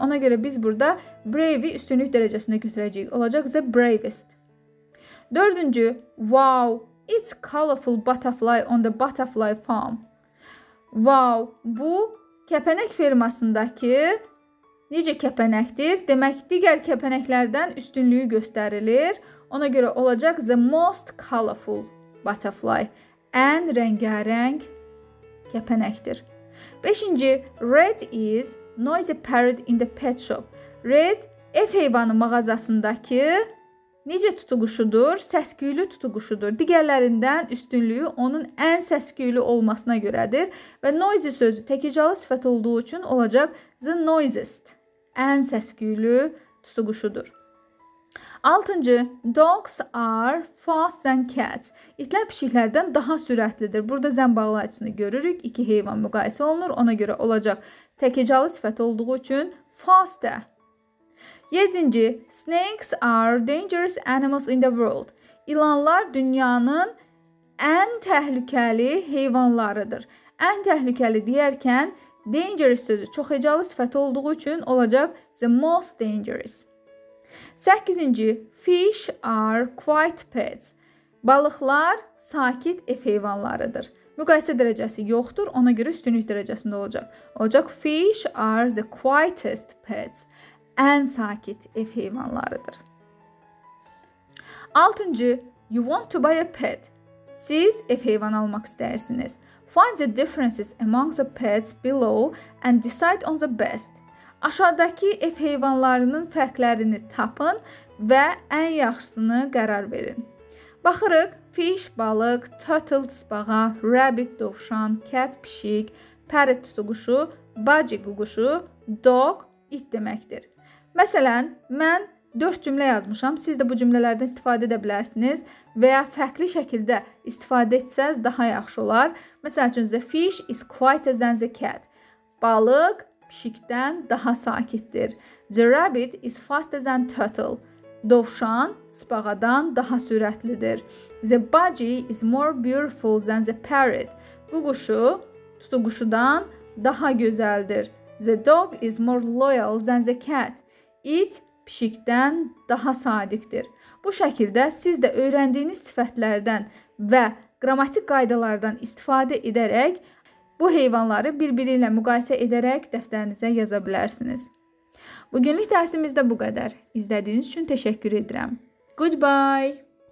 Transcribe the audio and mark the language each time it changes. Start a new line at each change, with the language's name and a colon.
Azerbaijani: Ona görə biz burada brave-i üstünlük dərəcəsində götürəcəyik. Olacaq
English: the bravest. Dördüncü, wow, it's colorful butterfly on the butterfly farm.
Azerbaijani: Wow, bu kəpənək fermasındakı necə kəpənəkdir? Demək, digər kəpənəklərdən üstünlüyü göstərilir. Ona görə olacaq
English: the most colorful butterfly.
Azerbaijani: Ən rəngarəng kəpənəkdir.
English: Beşinci, Red is noisy parrot in the pet shop.
Azerbaijani: Red, ev heyvanı mağazasındakı necə tutuquşudur? Səsküylü tutuquşudur. Digərlərindən üstünlüyü onun ən səsküylü olmasına görədir. Və noisy sözü təkicalı sifət olduğu üçün olacaq
English: the noisiest.
Azerbaijani: Ən səsküylü tutuquşudur.
English: Altıncı, dogs are fast than cats.
Azerbaijani: İtlər pişiklərdən daha sürətlidir. Burada zən bağlayıcısını görürük. İki heyvan müqayisə olunur. Ona görə olacaq təkicalı sifət olduğu üçün faster.
English: Yedinci, snakes are dangerous animals in the world.
Azerbaijani: İlanlar dünyanın ən təhlükəli heyvanlarıdır. Ən təhlükəli deyərkən dangerous sözü çox həcalı sifət olduğu üçün olacaq
English: the most dangerous. 8-ci, fish are quiet pets.
Azerbaijani: Balıqlar sakit ev heyvanlarıdır. Müqayisə dərəcəsi yoxdur, ona görə üstünlük dərəcəsində olacaq.
English: Olacaq, fish are the quietest pets.
Azerbaijani: Ən sakit ev heyvanlarıdır.
English: 6-cı, you want to buy a pet.
Azerbaijani: Siz ev heyvan almaq istəyirsiniz.
English: Find the differences among the pets below and decide on the best.
Azerbaijani: Aşağıdakı ev heyvanlarının fərqlərini tapın və ən yaxşısını qərar verin. Baxırıq, fish, balıq, turtle, tısbağa, rabbit, dovşan, cat, pişik, parrot, tutuquşu, bacı, ququşu, dog, it deməkdir. Məsələn, mən 4 cümlə yazmışam. Siz də bu cümlələrdən istifadə edə bilərsiniz və ya fərqli şəkildə istifadə etsəz daha yaxşı olar.
English: Məsəl üçün, the fish is quieter than the cat.
Azerbaijani: Balıq pişikdən daha sakitdir.
English: The rabbit is faster than turtle.
Azerbaijani: Dovşan spagadan daha sürətlidir.
English: The budgie is more beautiful than the parrot.
Azerbaijani: Ququşu tutuquşudan daha gözəldir.
English: The dog is more loyal than the cat.
Azerbaijani: It pişikdən daha sadiqdir. Bu şəkildə siz də öyrəndiyiniz sifətlərdən və qrammatik qaydalardan istifadə edərək bu heyvanları bir-biri ilə müqayisə edərək dəftərinizə yaza bilərsiniz. Bugünlük dərsimiz də bu qədər. İzlədiyiniz üçün təşəkkür edirəm. Goodbye!